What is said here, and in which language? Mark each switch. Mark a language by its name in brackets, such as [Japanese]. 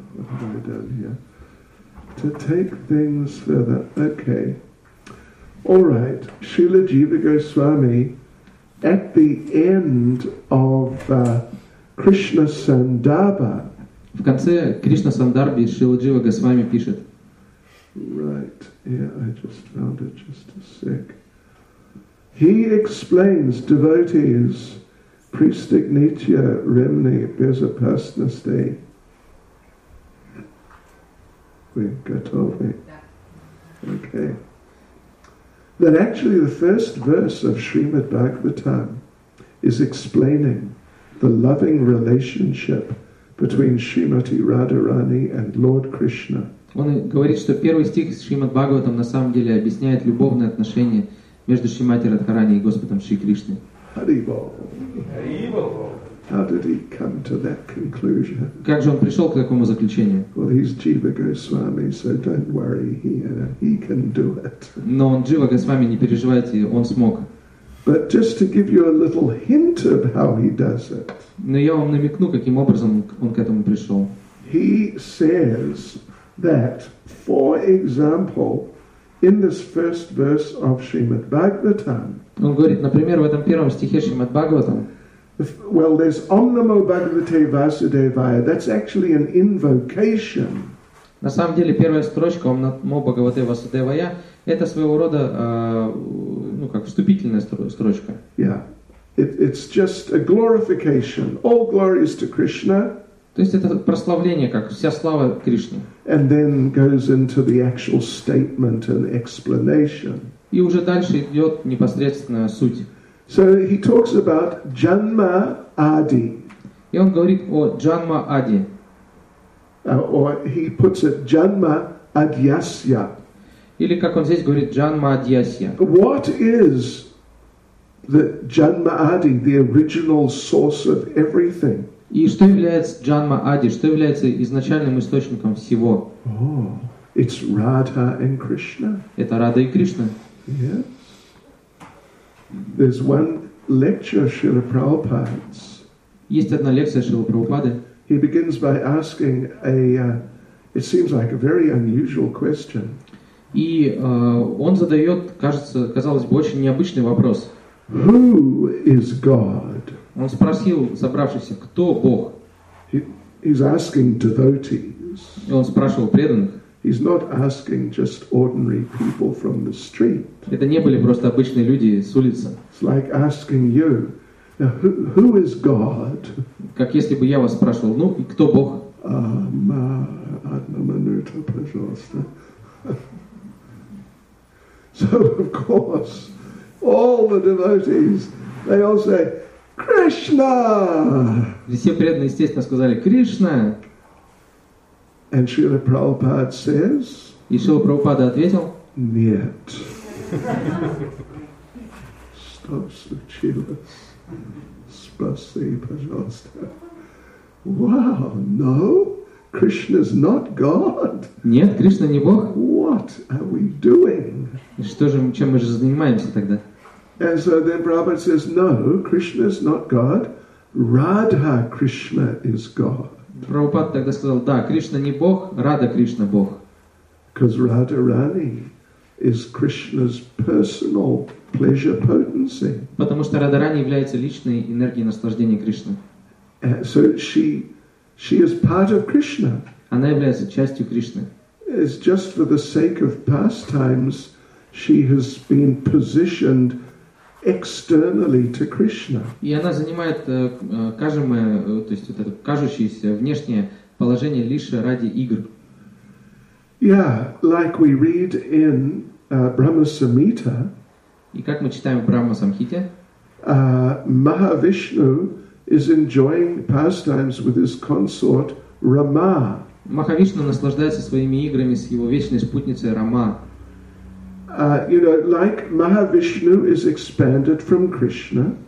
[English] To take things further, okay. All right, Srila Jiva Goswami, at the end of Krishna Sandarbha. [Russian] В конце Кришна Сандарби Шрила Джива Госвами пишет. [English] Right, yeah, I just found it just a sec. He explains, devotees, Pristignitya Remni Bezapasnasti, okay, that actually the first verse of Srimad Bhagavatam is explaining the loving relationship between Srimati Radharani and Lord Krishna. [Russian] Он говорит, что первый стих Шримад Бхагаватам на самом деле объясняет любовные отношения между Шримати Радхарани и Господом Шри Кришной. [Sanskrit] Haribol. Haribol. [English] How did he come to that conclusion? [Russian] Как же он пришел к такому заключению? [English] Well, he's Jiva Goswami, so don't worry. He can do it. [Russian] Но он Джива Госвами, не переживайте, он смог. [English] But just to give you a little hint of how he does it. [Russian] Но я вам намекну, каким образом он к этому пришел. [English] He says that, for example, in this first verse of Srimad Bhagavatam. [Russian] Он говорит, например, в этом первом стихе Шримад Бхагаватам. [English] Well, there's [Sanskrit] Om Namo Bhagavate Vasudevaya. [English] That's actually an invocation. [Russian] На самом деле, первая строчка [Sanskrit] Om Namo Bhagavate Vasudevaya [Russian] это своего рода как вступительная строчка. [English] Yeah. It's just a glorification. All glories to Krishna. [Russian] То есть это прославление, как вся слава Кришне. [English] And then goes into the actual statement and explanation. [Russian] И уже дальше идет непосредственная суть. [English] So he talks about Janma Adi. [Russian] И он говорит о Janma Adi. [English] Or he puts it Janma Adyasya. [Russian] Или как он здесь говорит Janma Adyasya. [English] What is the Janma Adi, the original source of everything? [Russian] И что является Janma Adi? Что является изначальным источником всего? [English] Oh, it's Radha and Krishna. [Russian] Это Рада и Кришна. [English] Yeah. There's one lecture Srila Prabhupada's. [Russian] Есть одна лекция Шрила Прабхупады. [English] He begins by asking it seems like a very unusual question. [Russian] И он задает, кажется, казалось бы, очень необычный вопрос. [English] Who is God? [Russian] Он спросил собравшихся, кто Бог? [English] He's asking devotees. [Russian] И он спрашивал преданных. [English] He's not asking just ordinary people from the street. [Russian] Это не были просто обычные люди с улицы. [English] It's like asking you, who is God? [Russian] Как если бы я вас спрашивал, ну и кто Бог? Ама, одну минуту, пожалуйста. [English] So of course, all the devotees, they all say, Krishna. [Russian] Все преданные, естественно, сказали Кришна. [English] And Srila Prabhupada says, [Russian] и Шрила Прабхупада ответил, нет. Что случилось? Спаси, пожалуйста. [English] Wow, no, Krishna's not God. [Russian] Нет, Кришна не Бог. [English] What are we doing? [Russian] Что же, чем мы же занимаемся тогда? [English] And so then Prabhupada says, no, Krishna's not God. Radha Krishna is God. [Russian] Прабхупада тогда сказал, да, Кришна не Бог, Рада Кришна Бог. [English] Because Radharani is Krishna's personal pleasure potency. [Russian] Потому что Радарани является личной энергией наслаждения Кришны. [English] So she is part of Krishna. [Russian] Она является частью Кришны. [English] It's just for the sake of pastimes, she has been positioned externally to Krishna. [Russian] И она занимает кажущееся внешнее положение лишь ради игр. [English] Yeah, like we read in Brahma Samhita. [Russian] И как мы читаем в Брахма Самхите? [English] Mahavishnu is enjoying pastimes with his consort Rama. [Russian] Махавишну наслаждается своими играми с его вечной спутницей Рама. [English] You know, like Mahavishnu is expanded from Krishna.